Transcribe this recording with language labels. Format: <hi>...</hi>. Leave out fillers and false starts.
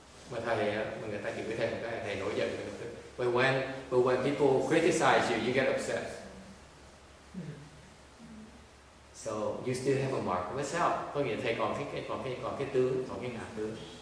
<vi>Mà thầy mà người ta chửi thầy một cái thầy nổi giận.</vi> <en>But when people criticize you, you get upset. So you still have a mark of yourself.</en> <vi>Có nghĩa thầy còn cái ngã tư.</vi>